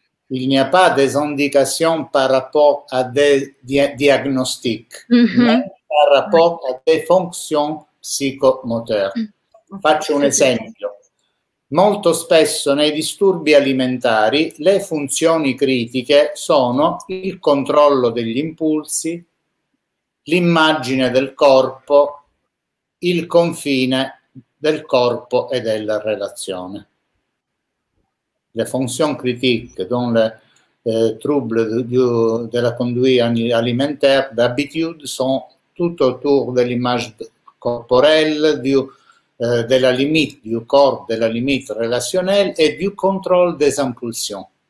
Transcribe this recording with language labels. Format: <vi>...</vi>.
<fr>Il n'y a pas des indications par rapport à des diagnostics, mais par rapport à des fonctions psychomoteurs.</fr> <it>Faccio un esempio. Molto spesso nei disturbi alimentari le funzioni critiche sono il controllo degli impulsi, l'immagine del corpo, il confine del corpo e della relazione.</it> <fr>Le fonctions critiques, dont troubles de la conduite alimentaire d'habitude sont tout autour de l'image corporelle, de la limite du corps, de la limite relationnelle et du contrôle des impulsions.</fr>